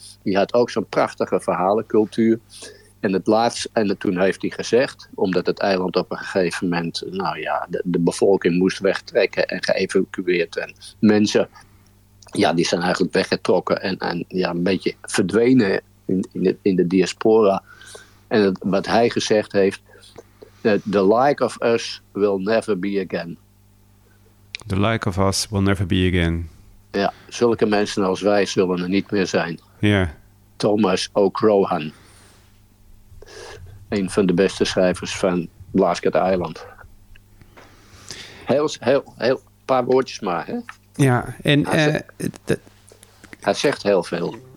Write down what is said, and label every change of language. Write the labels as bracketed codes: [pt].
[nl] Die had ook zo'n prachtige verhalencultuur. En toen heeft hij gezegd, omdat het eiland op een gegeven moment, nou ja, de bevolking moest wegtrekken en geëvacueerd. En mensen, ja, die zijn eigenlijk weggetrokken en ja, een beetje verdwenen in de diaspora. En wat hij gezegd heeft, [en] the like of us will never be again. The like of us will never be again. [nl] Ja, zulke mensen als wij zullen er niet meer zijn. Ja. Yeah. Thomas O'Crohan. Een van de beste schrijvers van Blasket Island. Heel, paar woordjes maar, hè? Ja, en hij zegt heel veel.